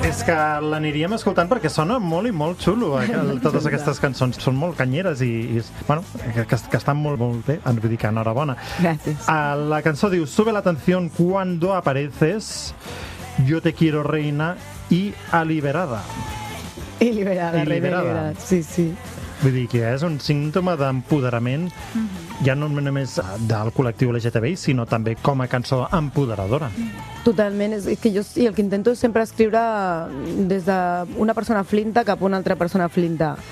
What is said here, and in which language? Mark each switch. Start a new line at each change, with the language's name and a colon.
Catalan: L'aniríem escoltant perquè sona molt i molt xulo, totes aquestes cançons són molt canyeres i bueno, que estan molt, molt bé, en vull dir que enhorabona. Gràcies. La cançó diu
Spanish: Sube la atención cuando apareces, yo te quiero reina y aliberada.
Catalan: I liberada, reina liberada. Sí, sí. Vull dir que és un símptoma d'empoderament, ja no només del col·lectiu LGTBI, sinó també com a cançó empoderadora. Totalment, és que jo el que intento és sempre escriure des d'una persona flinta cap a una altra persona flinta.